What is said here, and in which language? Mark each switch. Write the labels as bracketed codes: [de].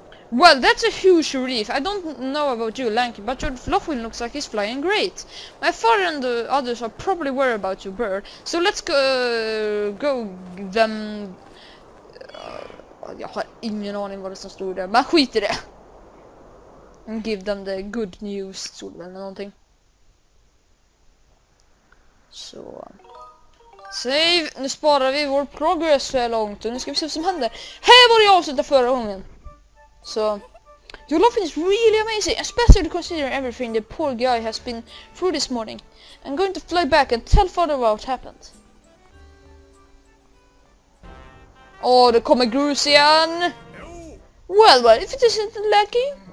[en] Well, that's a huge relief. I don't know about you, Lanky, but your Loftwing looks like he's flying great. My father and the others are probably worried about your bird, so let's go them. [sv] Jag har ingen aning vad det som stod där, men skit i det. [en] And give them the good news, [sv] stod det väl, eller någonting. Så. Save! Nu sparar vi vår progress så långt, och nu ska vi se vad som händer. Här var det jag avslutade förra gången! Så, [en] Your laughing is really amazing, especially considering everything the poor guy has been through this morning. I'm going to fly back and tell father about what happened. Oh, the Comegrusian! Well, well, if it isn't lucky.